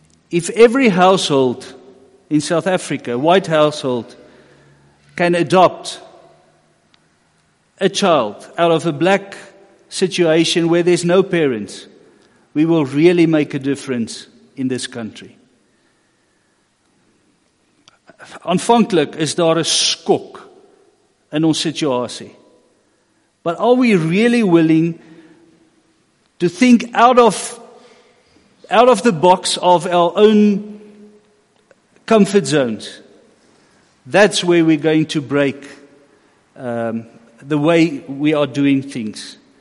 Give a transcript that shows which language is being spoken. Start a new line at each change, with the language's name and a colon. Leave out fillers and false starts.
English: If every household in South Africa, white household, can adopt a child out of a black situation where there's no parents, we will really make a difference in this country.
Afrikaans: Aanvanklik is daar 'n skok in ons situasie.
English: But are we really willing to think out of the box of our own comfort zones? That's where we're going to break the way we are doing things.